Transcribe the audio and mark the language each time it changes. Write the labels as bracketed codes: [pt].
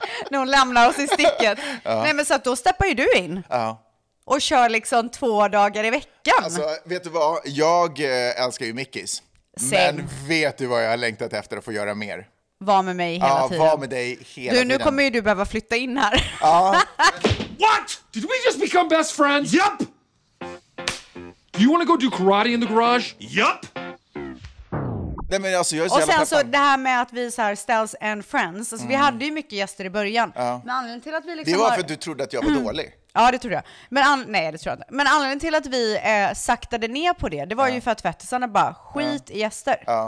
[sv] När hon lämnar oss i sticket. Nej, men så att då steppar ju du in. Och kör liksom 2 dagar i veckan. Alltså, vet du vad? Jag älskar ju Mickis. Men vet du vad jag har längtat efter att få göra mer? Var med mig hela tiden. Ja, var med dig hela du, tiden. Nu kommer ju du behöva flytta in här. [en] What? Did we just become best friends? Yep. Do you want to go do karate in the garage? Yep. [sv] Nej, men alltså, jag är så och sen peppan. Så det här med att vi så här Stells and Friends. Alltså, vi hade ju mycket gäster i början. Men anledningen till att vi liksom det var för har... att du trodde att jag var dålig. Ja, det tror jag. Men nej, det tror jag inte. Men anledningen till att vi saktade ner på det, det var ju för att tvättisarna bara skit i gäster.